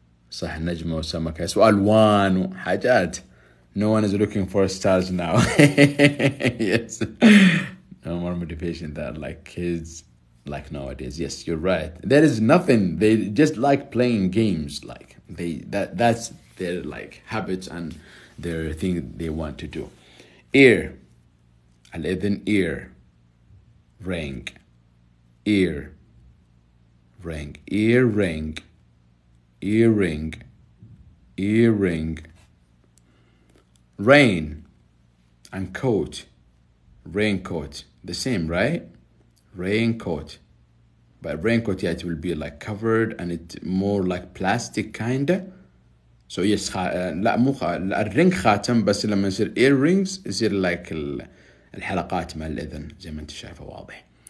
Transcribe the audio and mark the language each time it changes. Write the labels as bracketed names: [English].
[Arabic] صح النجمة وسمكة والوان وحاجات. [English] No one is looking for stars now. Yes. No more motivation that like kids like nowadays. Yes, you're right. There is nothing. They just like playing games. Like they that's their like habits and their thing they want to do. Ear. الإذن ear. Ring. Ear. Ring. Ear ring. Earring, earring, rain, and coat, raincoat, the same, right? Raincoat, but raincoat, yeah, it will be like covered and it more like plastic kind of. So yes, [Arabic] لا مو الرينغ خاتم بس لما يصير earrings يصير like الحلقات مال الاذن زي ما انت شايفه واضح.